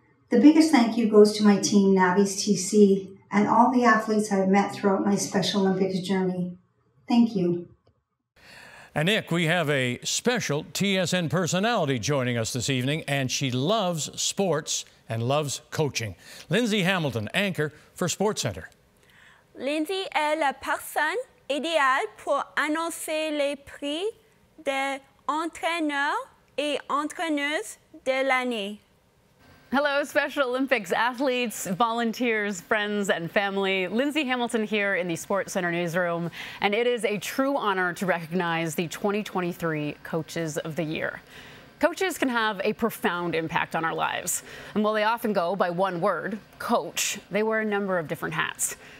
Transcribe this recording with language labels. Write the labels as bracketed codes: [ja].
[en] The biggest thank you goes to my team, Navi's TC, and all the athletes I've met throughout my Special Olympics journey. Thank you. And Nick, we have a special TSN personality joining us this evening, and she loves sports and loves coaching. Lindsay Hamilton, anchor for SportsCenter. [fr] Lindsay est la personne idéale pour annoncer les prix des entraîneurs et entraîneuses de l'année. [en] Hello, Special Olympics athletes, volunteers, friends, and family. Lindsay Hamilton here in the SportsCenter newsroom, and it is a true honor to recognize the 2023 Coaches of the Year. Coaches can have a profound impact on our lives. And while they often go by one word, coach, they wear a number of different hats.